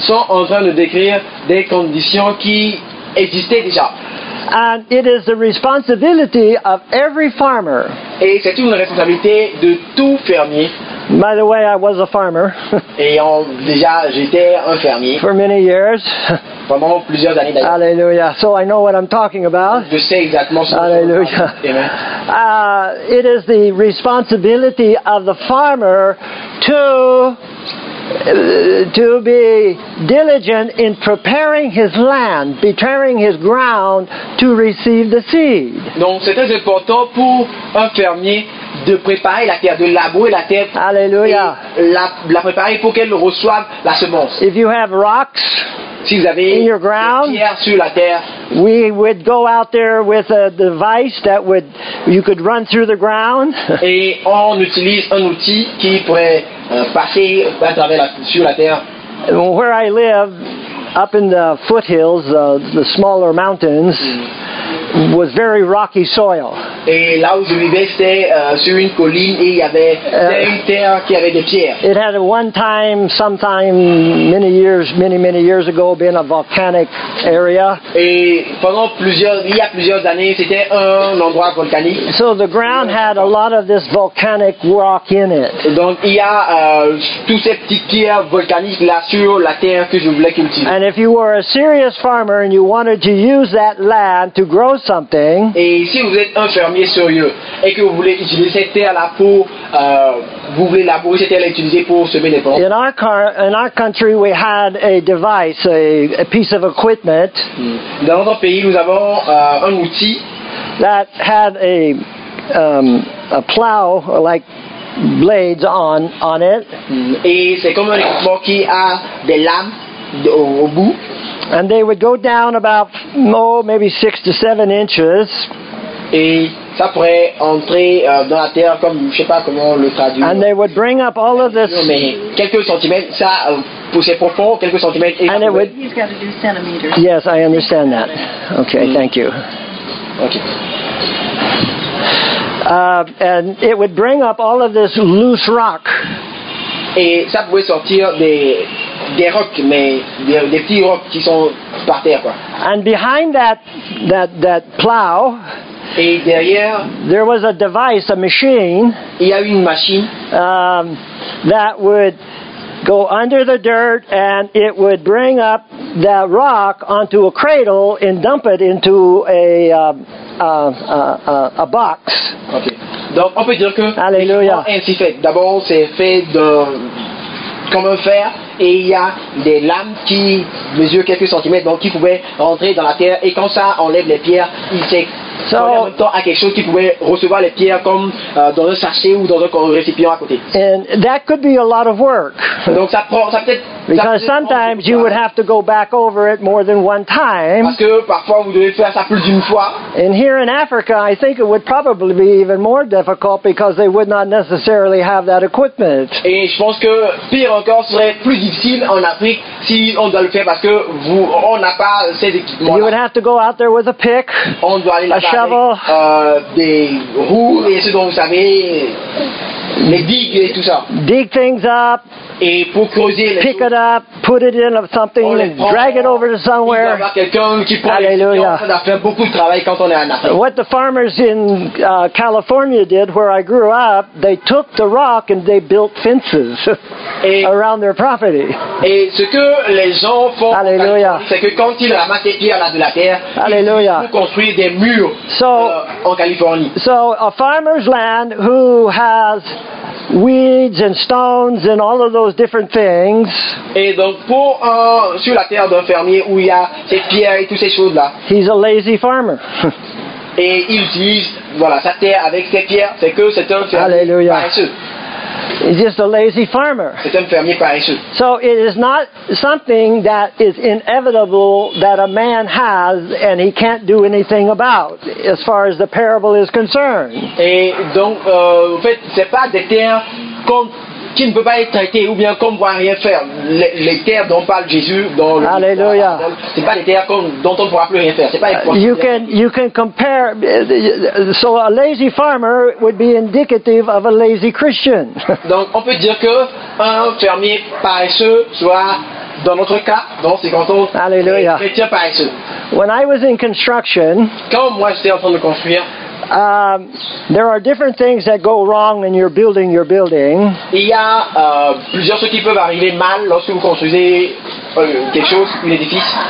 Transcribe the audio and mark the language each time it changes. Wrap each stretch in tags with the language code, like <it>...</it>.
<fr>Sont en train de décrire des conditions qui existaient déjà.</fr> <en>And it is the responsibility of every farmer.</en> <fr>Et c'est une responsabilité de tout fermier.</fr> <en>By the way, I was a farmer.</en> <fr>Ayant déjà, j'étais un fermier.</fr> <en>For many years.</en> <fr>Pendant plusieurs années d'ailleurs.</fr> <en>Hallelujah. So I know what I'm talking about.</en> <fr>Je sais exactement ce que je parle. Hallelujah.</fr> <en>It is the responsibility of the farmer to be diligent in preparing his land, preparing his ground to receive the seed.</en> <fr>Donc c'est très important pour un fermier de préparer la terre, de labourer la terre. Alléluia. Et la préparer pour qu'elle reçoive la semence.</fr> <en>If you have rocks,</en> <fr>si vous avez</fr> <en>in your ground,</en> <fr>des pierres sur la terre,</fr> <en>we would go out there with a device that would you could run through the ground.</en> <fr>Et on utilise un outil qui pourrait passer à travers sur la terre.</fr> <en>Where I live, up in the foothills, the smaller mountains, was very rocky soil.</en> <fr>Et là où je vivais, c'était sur une colline et il y avait une terre qui avait des pierres.</fr> <en>It had at one time, sometime, many years ago, been a volcanic area.</en> <fr>Et pendant plusieurs années, c'était un endroit volcanique.</fr> <en>So the ground had a lot of this volcanic rock in it.</en> <fr>Donc il y a tous ces petites pierres volcaniques là sur la terre que je voulais cultiver.</fr> <en>And if you were a serious farmer and you wanted to use that land to grow something,</en> <fr>et si vous êtes un fermier sérieux et que vous voulez utiliser cette terre là pour vous voulez labourer cette terre, l'utiliser pour semer des plantes.</fr> <en>In our country, we had a device, a piece of equipment.</en> <fr>Dans notre pays, nous avons un outil</fr> <en>that had a plow like blades on it.</en> <fr>Et c'est comme un équipement qui a des lames au bout.</fr> <en>And they would go down about, maybe 6 to 7 inches.</en> <fr>Et ça pourrait entrer dans la terre comme, je sais pas comment le traduire.</fr> <en>And they would bring up all of this.</en> <fr>Mais quelques centimètres, ça poussait profond, quelques centimètres.</fr> <en>And it would. He's got to do centimeters. Yes, I understand that. Okay, thank you. Okay. And it would bring up all of this loose rock.</en> <fr>Et ça pouvait sortir des rocs, mais des petits rocs qui sont par terre, quoi.</fr> <en>And behind that plow,</en> <fr>et derrière,</fr> <en>there was a device, a machine,</en> <fr>il y a une machine</fr> <en>that would go under the dirt and it would bring up that rock onto a cradle and dump it into a box.</en> <fr>Okay. Donc on peut dire que</fr> <en>hallelujah.</en> <fr>Ainsi fait. D'abord c'est fait de comme un fer et il y a des lames qui mesurent quelques centimètres donc qui pouvaient rentrer dans la terre et quand ça enlève les pierres, il s'est</fr> <en>so,</en> <fr>en même temps à quelque chose qui pouvait recevoir les pierres comme dans un sachet ou dans un récipient à côté.</fr> <en>And that could be a lot of work.</en> <fr>Donc ça prend ça peut-être</fr> <en>because</en> <fr>ça peut-être</fr> <en>sometimes you would have to go back over it more than one time.</en> <fr>Parce que parfois vous devez faire ça plus d'une fois.</fr> <en>And here in Africa, I think it would probably be even more difficult because they would not necessarily have that equipment.</en> <fr>Et je pense que pire encore serait plus difficile en Afrique si on doit le faire parce que vous on n'a pas ces équipements.</fr> <en>You would have to go out there with a pick.</en> <fr>On doit aller</fr> <en>a shovel,</en> <fr>avec, des roues et ce dont vous savez, les digues et tout ça.</fr> <en>Dig things up,</en> <fr>et pour creuser</fr> <en>pick it up, put it in something, drag it over to somewhere. Hallelujah.</en> <fr>Ça fait beaucoup de travail quand on est en Afrique.</fr> <en>What the farmers in California did, where I grew up, they took the rock and they built fences around their property.</en> <fr>Et ce que les gens font,</fr> <en>hallelujah,</en> <fr>c'est que quand ils ramassent les pierres de la terre,</fr> <en>hallelujah,</en> <fr>ils construisent des murs en Californie.</fr> <en>So a farmer's land who has weeds and stones and all of those different things.</en> <fr>Et donc pour sur la terre d'un fermier où il y a ces pierres et toutes ces choses là.</fr> <en>He's a lazy farmer.</en> <fr>Et ils disent voilà sa terre avec ses pierres c'est que c'est un fermier.</fr> <en>Hallelujah.</en> <fr>Paresseux.</fr> <en>He's just a lazy farmer.</en> <fr>C'est un fermier paresseux.</fr> <en>So it is not something that is inevitable that a man has and he can't do anything about, as far as the parable is concerned.</en> <fr>Et donc, en fait, c'est pas des terres qui ne peuvent pas être traitées ou bien qu'on ne pourra rien faire. Les terres dont parle Jésus dans le. Alléluia. C'est pas des terres dont on ne pourra plus rien faire. C'est pas important.</fr> <en>You can compare. So a lazy farmer would be indicative of a lazy Christian.</en> <fr>Donc on peut dire que un fermier paresseux soit dans notre cas, dans ces cantons, un chrétien paresseux.</fr> <en>When I was in construction.</en> <fr>Quand moi j'étais en train de construire.</fr> <en>There are different things that go wrong when you're building your building.</en> <fr>Il y a plusieurs choses qui peuvent arriver mal lorsque vous construisez quelque chose, un édifice.</fr>